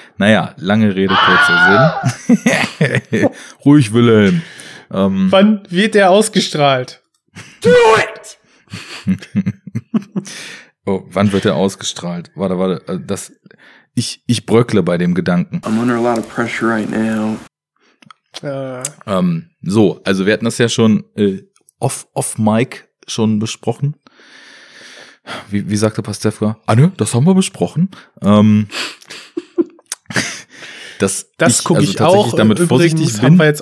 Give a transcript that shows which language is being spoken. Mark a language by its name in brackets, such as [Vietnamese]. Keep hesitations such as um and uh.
[German] Naja, lange Rede, kurzer Sinn. Ruhig, Wilhelm. Ähm. Wann wird er ausgestrahlt? Do Oh, wann wird er ausgestrahlt? Warte, warte, das, ich, ich bröckle bei dem Gedanken. [English] I'm under a lot of pressure right now. Äh. [German] Ähm, so, also wir hatten das ja schon äh, off, off mic schon besprochen. Wie, wie sagte Pastefka? Ah ne, das haben wir besprochen. Ähm, das das gucke ich, guck also ich tatsächlich auch. Damit Übrigens vorsichtig haben bin. wir jetzt